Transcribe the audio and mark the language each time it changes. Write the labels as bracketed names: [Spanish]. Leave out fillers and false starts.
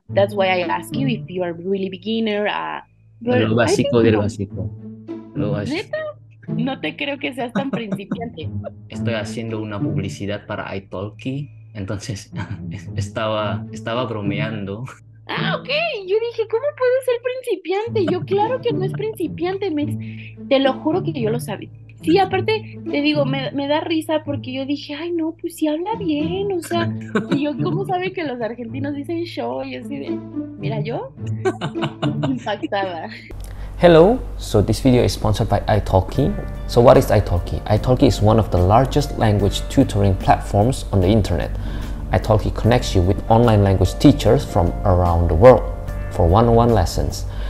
[English] That's why I ask you if you are really beginner. [Spanish] Lo [English] But I don't [Spanish] básico del [English] know. [Spanish] básico. Lo básico. Neta, no te creo que seas tan principiante. Estoy haciendo una publicidad para italki, entonces estaba bromeando. Ah, ok. Yo dije, ¿cómo puedo ser principiante? Yo, claro que no es principiante, te lo juro que yo lo sabía. Sí, aparte, te digo, me da risa porque yo dije, ay, no, pues sí habla bien, o sea, y yo, ¿cómo sabe que los argentinos dicen show? Y así de, mira, yo, impactada. [English] Hello, so this video is sponsored by italki. So what is italki? Italki is one of the largest language tutoring platforms on the internet. Italki connects you with online language teachers from around the world for one-on-one lessons.